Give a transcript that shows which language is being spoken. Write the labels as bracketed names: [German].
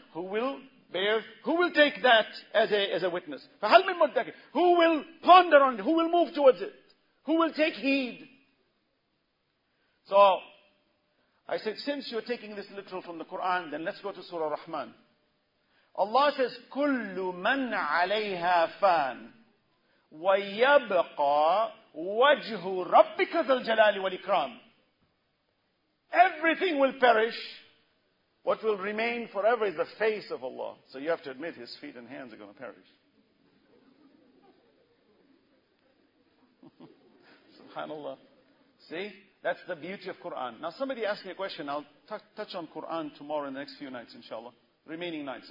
[English] Who will take that as a witness? [Arabic] فَهَلْ مِنْ مُدَّكِرِ [English] Who will ponder on it? Who will move towards it? Who will take heed? So, I said, since you're taking this literal from the Qur'an, then let's go to Surah Rahman. Allah says, [Arabic] كُلُّ مَنْ عَلَيْهَا فَانْ وَيَبْقَى وَجْهُ رَبِّكَ ذَا الْجَلَالِ وَالْإِكْرَامِ [English] Everything will perish. What will remain forever is the face of Allah. So you have to admit His feet and hands are going to perish. SubhanAllah. See? That's the beauty of Qur'an. Now somebody asked me a question. I'll touch on Qur'an tomorrow in the next few nights, inshallah. Remaining nights.